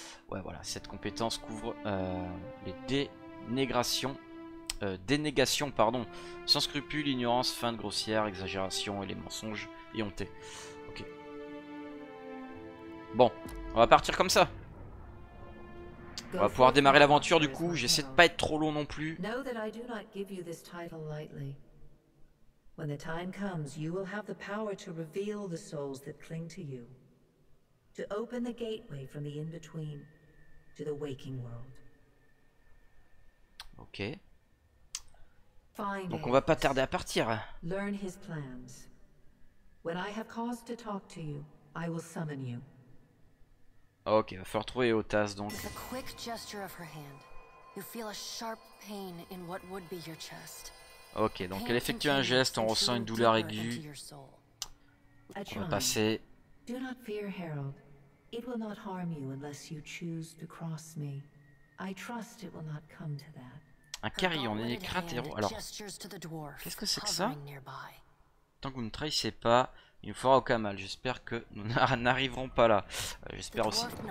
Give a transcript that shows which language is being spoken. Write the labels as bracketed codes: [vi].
[fr] Ouais voilà, cette compétence couvre les dénégrations. Dénégation, pardon, sans scrupule, ignorance, feinte grossière, exagération et les mensonges et honte. Ok. Bon, on va partir comme ça. On va pouvoir démarrer l'aventure du coup. J'essaie de pas être trop long non plus. [en] Know that I do not give you this title lightly. When the time comes, you will have the power to reveal the souls that cling to you, to open the gateway from the in-between to the waking world. [fr] Ok. Donc on va pas tarder à partir. [en] Learn his plans. When I have cause to talk to you, I will summon you. [fr] OK, va falloir trouver Otas donc. [en] With a quick gesture of her hand, you feel a sharp pain in what would be your chest. [fr] OK, donc elle effectue un geste, on ressent une douleur aiguë. On va passer. [en] Do not fear, Harold. It will not harm you unless you choose to cross me. I trust it will not come to that. [fr] Un carillon, un écratéro. Alors, qu'est-ce que c'est que ça? Tant que vous ne trahissez pas, il nous fera aucun mal. J'espère que nous n'arriverons pas là. J'espère aussi.